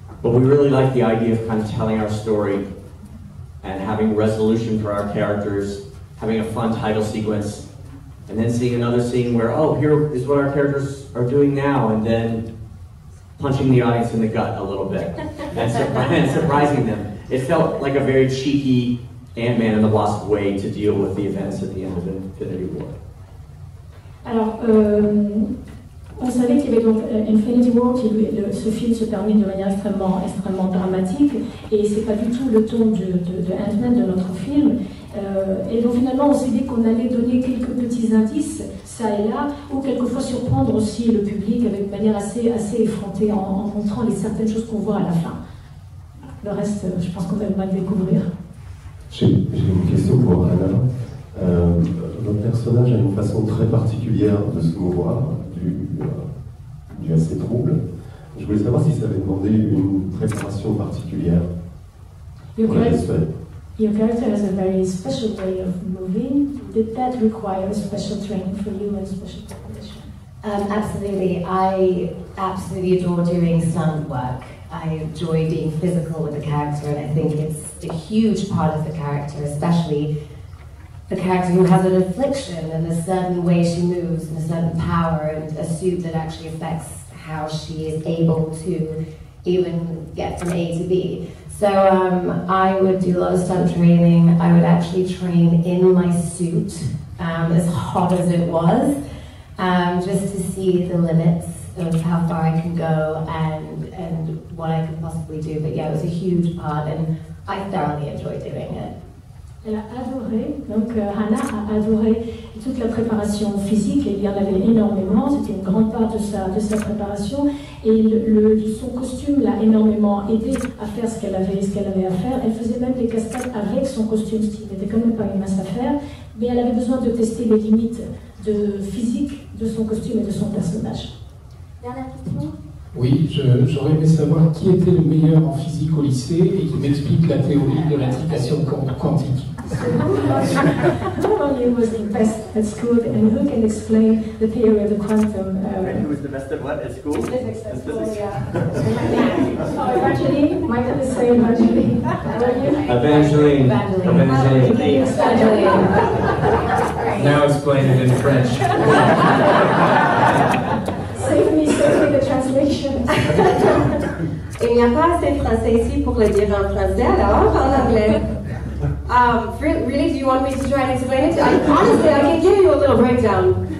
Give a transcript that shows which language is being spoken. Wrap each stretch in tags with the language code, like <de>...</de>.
<en>But we really like the idea of kind of telling our story and having resolution for our characters, having a fun title sequence, and then seeing another scene where, oh, here is what our characters are doing now, and then punching the audience in the gut a little bit and surprising them. It felt like a very cheeky Ant-Man and the Wasp way to deal with the events at the end of Infinity War.</en> <fr>Alors, on savait qu'il y avait donc Infinity War, ce film se termine de manière extrêmement, extrêmement dramatique, et c'est pas du tout le ton de Ant-Man, de notre film. Et donc finalement, on s'est dit qu'on allait donner quelques petits indices, ça et là, ou quelquefois surprendre aussi le public avec manière assez effrontée en montrant les certaines choses qu'on voit à la fin. Le reste, je pense qu'on va le découvrir. J'ai une question pour Anna. Votre personnage a une façon très particulière de se mouvoir, du assez trouble. Je voulais savoir si ça avait demandé une préparation particulière.</fr> <en>Your character has a very special way of moving. Did that require a special training for you and special preparation? Absolutely. I absolutely adore doing stunt work. I enjoy being physical with the character, and I think it's a huge part of the character, especially the character who has an affliction and a certain way she moves and a certain power and a suit that actually affects how she is able to even get from A to B. So I would do a lot of stunt training. I would actually train in my suit, as hot as it was, just to see the limits of how far I can go and what I could possibly do. But yeah, it was a huge part and I thoroughly enjoyed doing it.</en> <fr>Elle a adoré, donc Hannah a adoré toute la préparation physique, et il y en avait énormément, c'était une grande part de sa préparation, et son costume l'a énormément aidé à faire ce qu'elle avait à faire. Elle faisait même des cascades avec son costume, ce qui n'était quand même pas une mince affaire, mais elle avait besoin de tester les limites de physique de son costume et de son personnage. Dernière question. Oui, j'aurais aimé savoir qui était le meilleur en physique au lycée et qui m'explique la théorie de l'intrication quantique.</fr> <en>Who among you was the best at school and who can explain the theory of the quantum? And who was the best at what? At school? Physics at school, yeah. Oh, Evangeline. Might have to say Evangeline. Were you? Evangeline. Now explain it in French. Save me the translation.</en> <fr>Il n'y a pas assez de français ici pour le dire en français, alors en anglais.</fr> <en>Really, do you want me to try and explain it? Honestly, I can give you a little breakdown.</en>